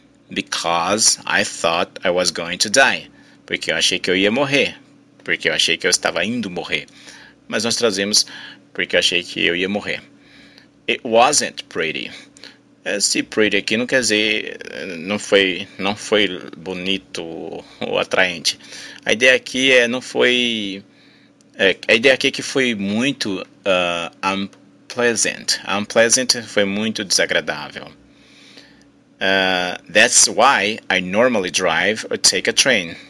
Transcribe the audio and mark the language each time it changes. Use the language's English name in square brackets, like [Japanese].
[English] Because I thought I was going to die. [Portuguese] Porque eu achei que eu ia morrer. Porque eu achei que eu estava indo morrer. Mas nós trazemos porque eu achei que eu ia morrer. [English] It wasn't pretty. [Portuguese] Esse pretty aqui não quer dizer... Não foi bonito ou atraente. A ideia aqui é não foi... A ideia aqui é que foi muito unpleasant. Unpleasant foi muito desagradável. [English] That's why I normally drive or take a train.